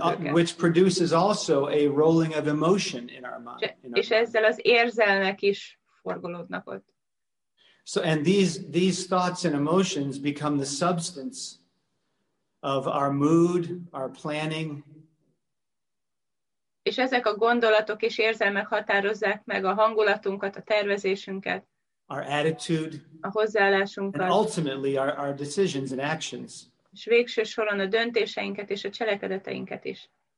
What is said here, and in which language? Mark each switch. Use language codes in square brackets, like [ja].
[en] Which produces also a rolling of emotion in our mind. [hu] És ezzel az érzelmek is forgolódnak ott. [en] So, and these thoughts and emotions become the substance of our mood, our planning. [hu] És ezek a gondolatok és érzelmek határozzák meg a hangulatunkat, a tervezésünket. [en] Our attitude. [hu] A hozzáállásunkat. [en] And ultimately our decisions and actions. [hu] És végső soron a döntéseinket és a cselekedeteinket is.